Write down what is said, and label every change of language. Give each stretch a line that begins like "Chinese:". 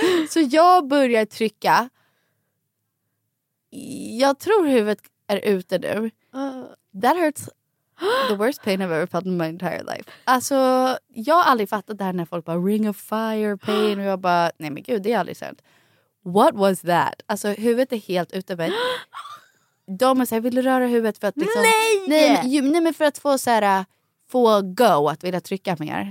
Swedish: Så jag börjar trycka. Jag tror huvudet är ute nu.
English: That hurts. The worst pain I've ever felt in my entire life.
Swedish: Alltså, jag har aldrig fattat det här när folk bara,
English: ring of fire, pain.
Swedish: Och jag bara, nej men gud, det är aldrig sant.
English: What was that?
Swedish: Alltså, huvudet är helt ute med. De är såhär, vill du röra huvudet för att liksom... Nej, men för att få såhär, få go, att vilja trycka mer.